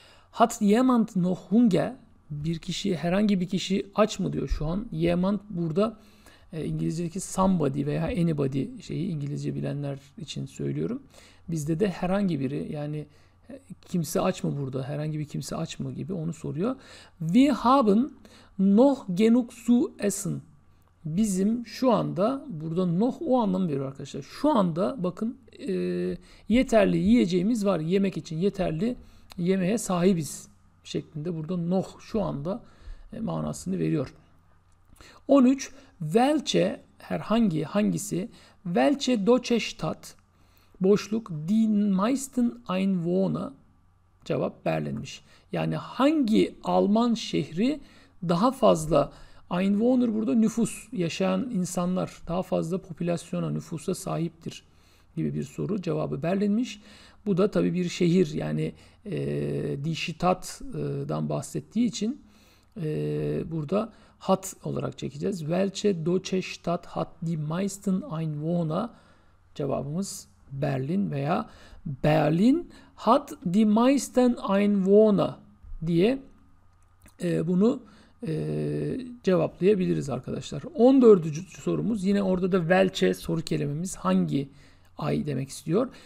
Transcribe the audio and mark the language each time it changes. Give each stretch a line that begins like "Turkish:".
German: Hat jemand noch Hunger?
Turkish: Bir kişi, herhangi bir kişi aç mı diyor şu an? Jemand burada İngilizce'deki somebody veya anybody şeyi, İngilizce bilenler için söylüyorum. Bizde de herhangi biri, yani kimse aç mı burada? Herhangi bir kimse aç mı gibi onu soruyor.
German: We haben noch genug zu essen.
Turkish: Bizim şu anda, burada noh o anlamı veriyor arkadaşlar. Şu anda bakın yeterli yiyeceğimiz var, yemek için yeterli yemeğe sahibiz şeklinde, burada noh şu anda manasını veriyor. 13. Welche, herhangi, hangisi?
German: Welche deutsche Stadt,
Turkish: boşluk,
German: die meisten Einwohner,
Turkish: cevap Berlin'miş. Yani hangi Alman şehri daha fazla Einwohner, burada nüfus, yaşayan insanlar, daha fazla popülasyona, nüfusa sahiptir gibi bir soru. Cevabı Berlin'miş. Bu da tabii bir şehir, yani Dişitat'dan bahsettiği için burada hat olarak çekeceğiz.
German: Welche deutsche Stadt hat die meisten Einwohner?
Turkish: Cevabımız Berlin veya
German: Berlin hat die meisten Einwohner
Turkish: diye bunu cevaplayabiliriz arkadaşlar. 14. sorumuz, yine orada da Welche soru kelimemiz, hangi ay demek istiyor.